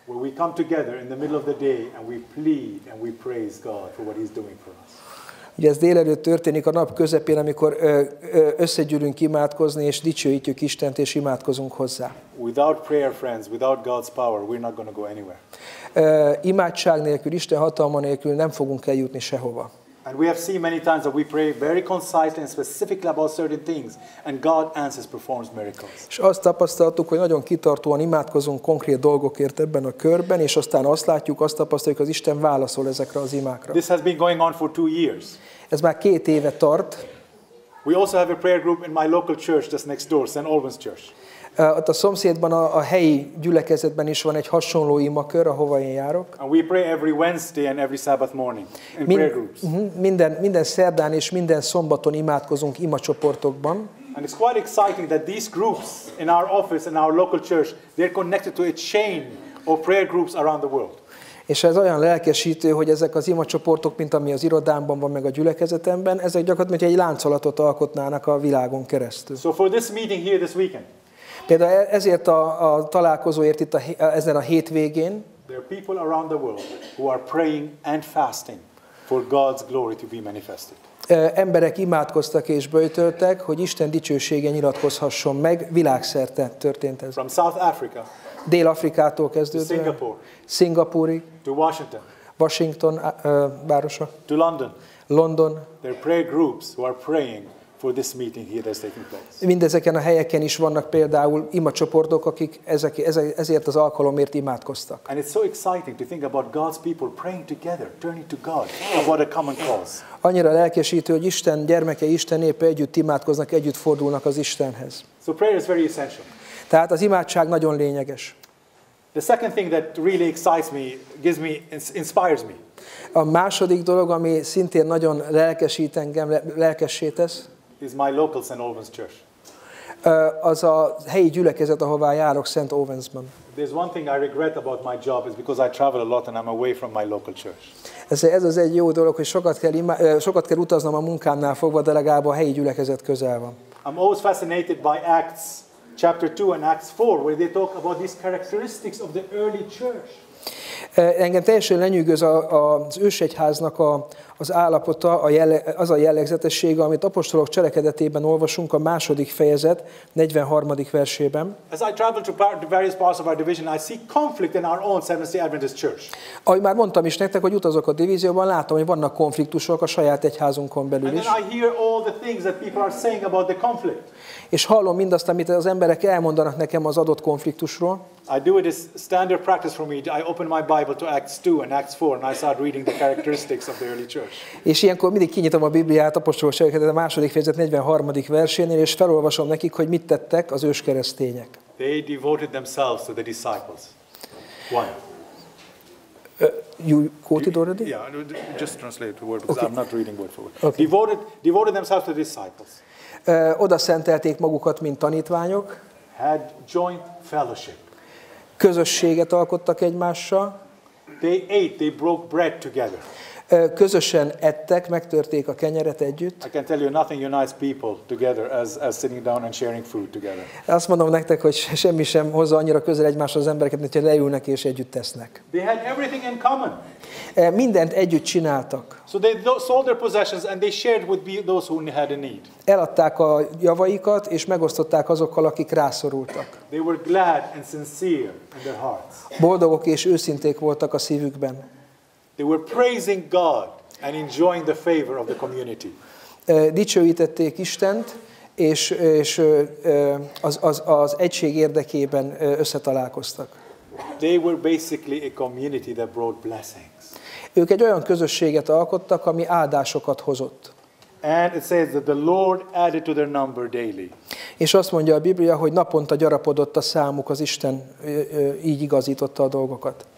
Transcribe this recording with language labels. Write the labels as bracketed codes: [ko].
[en] Where we come together in the middle of the day and we plead and we praise God for what he's doing for us. [hu] Ugye ez délelőtt történik a nap közepén, amikor összegyűlünk imádkozni, és dicsőítjük Istent, és imádkozunk hozzá. [en] Without prayer, friends, without God's power, we're not going to go anywhere. [hu] Imádság nélkül, Isten hatalma nélkül nem fogunk eljutni sehova. [en] And we have seen many times that we pray very concisely and specifically about certain things, and God answers, performs miracles. [hu] És azt tapasztaltuk, hogy nagyon kitartóan imádkozunk konkrét dolgokért ebben a körben, és aztán azt látjuk, azt tapasztaljuk, hogy az Isten válaszol ezekre az imákra. [en] This has been going on for 2 years. [hu] Ez már 2 éve tart. [en] We also have a prayer group in my local church, just next door, St. Albans Church. [hu] Ott a szomszédban a helyi gyülekezetben is van egy hasonló imakör, ahova én járok. [en] And we pray every Wednesday and every Sabbath morning in prayer groups. [hu] Minden szerdán és minden szombaton imádkozunk imacsoportokban. [en] And it's quite exciting that these groups in our office and our local church, they're connected to a chain of prayer groups around the world. [hu] És ez olyan lelkesítő, hogy ezek az imacsoportok, mint ami az irodámban van, meg a gyülekezetemben, ezek gyakorlatilag egy láncolatot alkotnának a világon keresztül. [en] So for this meeting here this weekend. [hu] Például ezért a találkozóért itt ezen a hétvégén. [en] There are people around the world who are praying and fasting for God's glory to be manifested. [hu] Emberek imádkoztak és böjtöltek, hogy Isten dicsősége nyilatkozhasson meg, világszerte történt ez. [en] From South Africa. [hu] Dél-Afrikától kezdődve. Szingapúrig. [en] To Washington. [hu] Washington városa. [en] To London. [hu] London. [en] There are prayer groups who are praying for this meeting here that's taking place. [hu] Mindezeken a helyeken is vannak például imacsoportok, akik ezért az alkalomért imádkoztak. [en] And it's so exciting to think about God's people praying together, turning to God about a common cause. [hu] Annyira lelkesítő, hogy Isten gyermeke, Isten népe együtt imádkoznak, együtt fordulnak az Istenhez. [en] So prayer is very essential. [hu] Tehát az imádság nagyon lényeges. [en] The second thing that really excites me, gives me, inspires me. [hu] A második dolog, ami szintén nagyon lelkesít engem, lelkessé tesz, [en] is my local St. Albans Church. [hu] Az a helyi gyülekezet, ahová járok, St. Albansban. [en] There's one thing I regret about my job is because I travel a lot and I'm away from my local church. [hu] Ez az egy jó dolog, hogy sokat kell utaznom a munkámnál fogva, de legalább a helyi gyülekezet közel van. [en] I'm always fascinated by Acts chapter 2 and Acts 4 where they talk about these characteristics of the early church. [hu] Engem teljesen lenyűgöz az ősegyháznak az állapota, az a jellegzetessége, amit apostolok cselekedetében olvasunk a második fejezet 43. versében. [en] As I travel to various parts of our division, I see conflict in our own Seventh-day Adventist church. [hu] Ahogy már mondtam is nektek, hogy utazok a divízióban, látom, hogy vannak konfliktusok a saját egyházunkon belül is. [en] And then I hear all the things that people are saying about the conflict. [hu] És hallom mindazt, amit az emberek elmondanak nekem az adott konfliktusról. [en] I do it as standard practice for me. I open my Bible to Acts 2 and Acts 4 and I start reading the characteristics of the early church. [hu] És ilyenkor mindig kinyitom a Bibliát, apostolok cselekedete a második fejezet 43. versénél, és felolvasom nekik, hogy mit tettek az őskeresztények. [en] They devoted themselves to the disciples. One. You quoted already? Yeah, just translate the word because okay. I'm not reading word for word. Okay. Devoted themselves to the disciples. [hu] Oda szentelték magukat, mint tanítványok. [en] Had joint fellowship. [hu] Közösséget alkottak egymással. [en] They ate, they broke bread together. [hu] Közösen ettek, megtörték a kenyeret együtt. [en] I can tell you nothing unites people together as sitting down and sharing food together. [hu] Azt mondom nektek, hogy semmi sem hozza annyira közel egymáshoz az embereket, mint hogy leülnek és együtt esznek. [en] They had everything in common. [hu] Mindent együtt csináltak. [en] So they sold their possessions and they shared with those who had a need. [hu] Eladták a javaikat és megosztották azokkal, akik rászorultak. [en] They were glad and sincere in their hearts. [hu] Boldogok és őszinték voltak a szívükben. [en] They were praising God and enjoying the favor of the community. [hu] Dicsőítették Istent, és az egység érdekében összetalálkoztak. [en] They were basically a community that brought blessings. [hu] Ők egy olyan közösséget alkottak, ami áldásokat hozott. [en] And it says that the Lord added to their number daily. [hu] És azt mondja a Biblia, hogy naponta gyarapodott a számuk, az Isten így igazította a dolgokat.